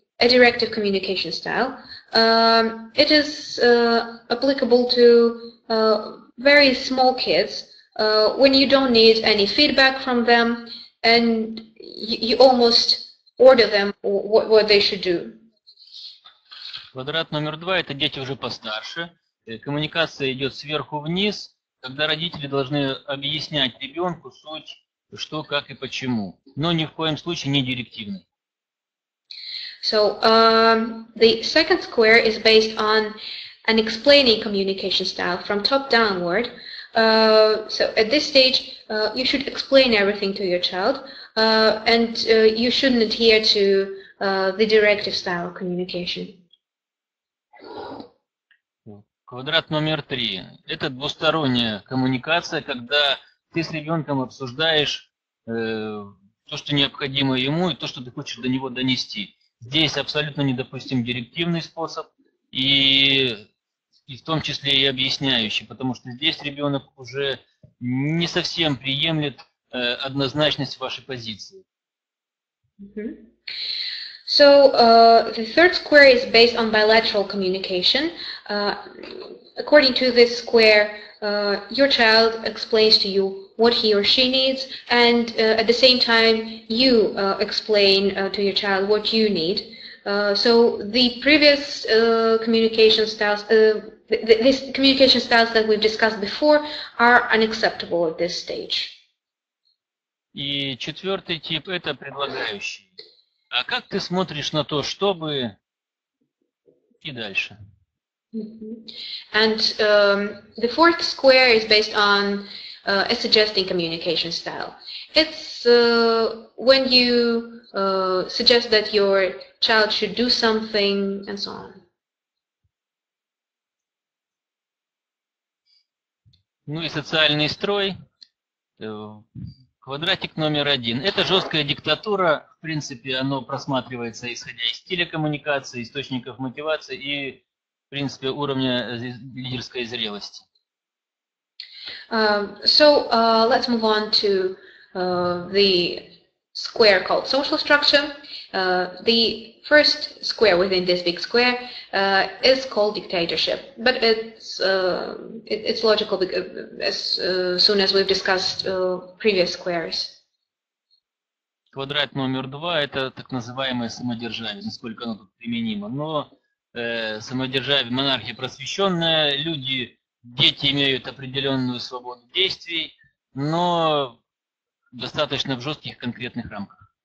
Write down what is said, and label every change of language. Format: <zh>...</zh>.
<en>a directive communication style. It is applicable to very small kids when you don't need any feedback from them and you almost order them what they should do.</en> <ru>Квадрат номер два – это дети уже постарше. Коммуникация идет сверху вниз, когда родители должны объяснять ребенку суть, что, как и почему. Но ни в коем случае не директивный.</ru> <en>So, the second square is based on an explaining communication style from top downward. So, at this stage, you should explain everything to your child, and you shouldn't adhere to the directive style of communication.</en> <ru>Квадрат номер три. Это двусторонняя коммуникация, когда ты с ребенком обсуждаешь то, что необходимо ему, и то, что ты хочешь до него донести. Здесь абсолютно недопустим директивный способ, и в том числе и объясняющий, потому что здесь ребенок уже не совсем приемлет однозначность вашей позиции.</ru> <en>So, the third square is based on bilateral communication. According to this square, your child explains to you what he or she needs, and at the same time, you explain to your child what you need. So, the previous communication styles, these communication styles that we've discussed before, are unacceptable at this stage.</en> <ru>И четвертый тип – это предлагающий. А как ты смотришь на то, чтобы и дальше?</ru> <en>And the fourth square is based on a suggesting communication style. It's when you suggest that your child should do something and so on.</en> <ru>Ну и социальный строй. Квадратик номер один. Это жесткая диктатура. В принципе, оно просматривается, исходя из стиля коммуникации, источников мотивации и, в принципе, уровня лидерской зрелости.</ru> <en>So, let's move on to the square called social structure. The first square within this big square is called dictatorship, but it's logical as soon as we've discussed previous squares.</en> <ru>Квадрат номер два – это так называемое самодержавие, насколько оно тут применимо. Но самодержавие, монархия просвещенная, люди, дети имеют определенную свободу действий, но достаточно в жестких конкретных рамках.</ru>